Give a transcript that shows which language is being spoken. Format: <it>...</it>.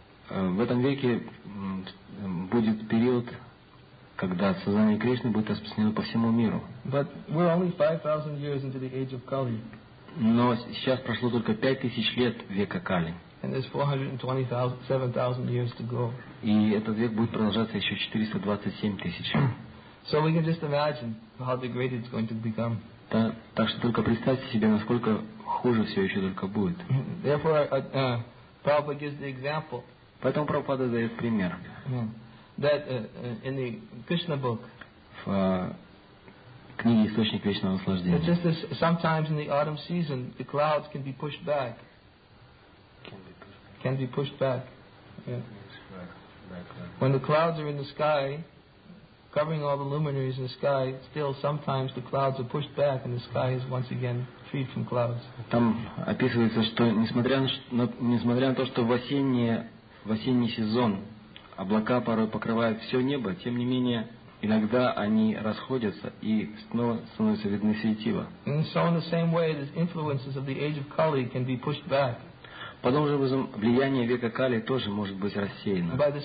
<ru>В этом веке будет период, когда сознание Кришны будет распространено по всему миру.</ru> <en>But we're only 5,000 years into the age of Kali.</en> <ru>Но сейчас прошло только 5000 лет века Кали.</ru> <en>And there's 427,000 years to go.</en> <ru>И этот век будет продолжаться еще 427 тысяч.</ru> <en>So we can just imagine how degraded it's going to become.</en> <ru>Так что только представьте себе, насколько хуже все еще только будет.</ru> <en>Therefore, Prabhupada gives the example.</en> <ru>Поэтому Прабхупада дает пример.</ru> <en>That in the Krishna book.</en> <ru>В книге «Источник вечного наслаждения».</ru> <en>Just as sometimes in the autumn season, the clouds can be pushed back. Can be pushed back. Yeah. When the clouds are in the sky, covering all the luminaries in the sky, still sometimes the clouds are pushed back and the sky is once again freed from clouds.</en> <ru>Там описывается, что несмотря на то, что в осенний сезон облака порой покрывают все небо, тем не менее иногда они расходятся и снова становятся видны светила.</ru> <en>And so in the same way, the influences of the age of Kali can be pushed back.</en> <ru>Подобным же образом, влияние века Кали тоже может быть рассеяно.</ru>